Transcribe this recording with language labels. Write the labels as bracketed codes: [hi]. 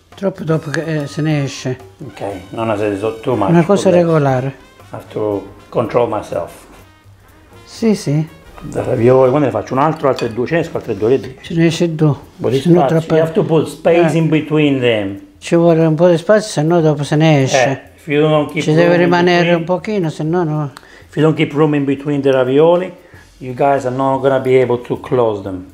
[it] Troppo dopo che se ne esce. [en] Okay. Nonna said it's too much. [it] Una cosa regolare. [en] I have to control myself. [it] Sì, sì. The ravioli, quando ne faccio un altro, altre due? Ce ne esco altre due? Ce ne esce due. Se no troppo. [en] You have to put space in between them. [it] Ci vuole un po' di spazio, se no dopo se ne esce. [en] If you don't keep [it] ci deve rimanere between, un pochino, se no no. [en] If you don't keep room in between the ravioli, you guys are not gonna be able to close them.